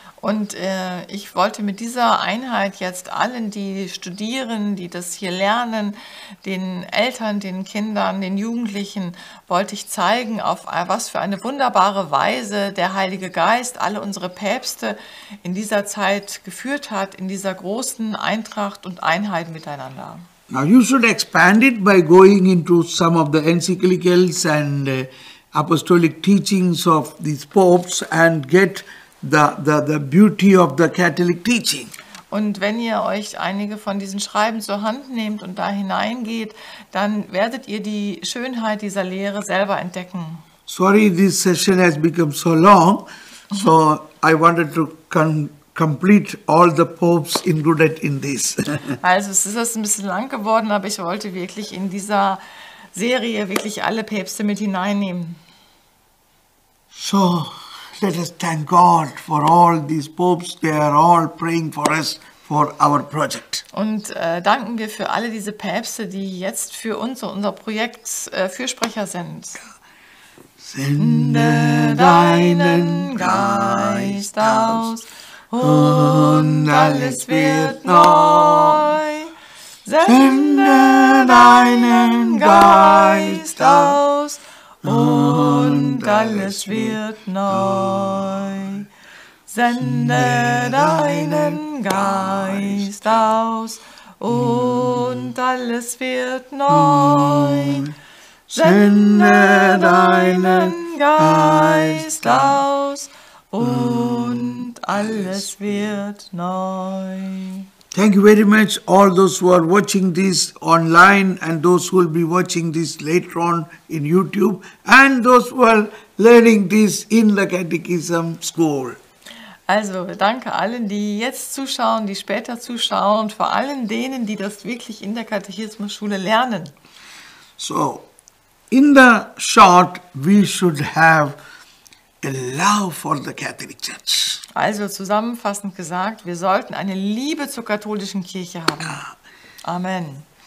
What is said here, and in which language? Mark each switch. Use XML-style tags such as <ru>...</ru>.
<de>Und ich wollte mit dieser Einheit jetzt allen, die studieren, die das hier lernen, den Eltern, den Kindern, den Jugendlichen, wollte ich zeigen, auf was für eine wunderbare Weise der Heilige Geist alle unsere Päpste in dieser Zeit geführt hat, in dieser großen Eintracht und Einheit miteinander.</de> <en>Now you should expand it by going into some of the encyclicals and apostolic teachings of these popes and get the beauty of the Catholic teaching.</en> <de>Und wenn ihr euch einige von diesen Schreiben zur Hand nehmt und da hineingeht, dann werdet ihr die Schönheit dieser Lehre selber entdecken.</de> <en>Sorry, this session has become so long, so I wanted to complete all the popes included in this.</en> <de>Also es ist ein bisschen lang geworden, aber ich wollte wirklich in dieser Serie wirklich alle Päpste mit hineinnehmen.</de> <en>So, let us thank God for all these popes. They are all praying for us for our project.</en> <de>Und danken wir für alle diese Päpste, die jetzt für uns und unser Projekt Fürsprecher sind. Sende deinen Geist aus und alles wird neu. Sende deinen Geist aus und alles wird neu. Sende deinen Geist aus und alles wird neu. Sende deinen Geist aus und alles wird neu.</de> <en>Thank you very much, all those who are watching this online and those who will be watching this later on in YouTube and those who are learning this in the Catechism School.</en> <de>Also, danke allen, die jetzt zuschauen, die später zuschauen und vor allem denen, die das wirklich in der Katechismusschule lernen.</de> <en>So, in the short, we should have a love for the Catholic Church.</en> <de>Also zusammenfassend gesagt, wir sollten eine Liebe zur katholischen Kirche haben. Amen.</de>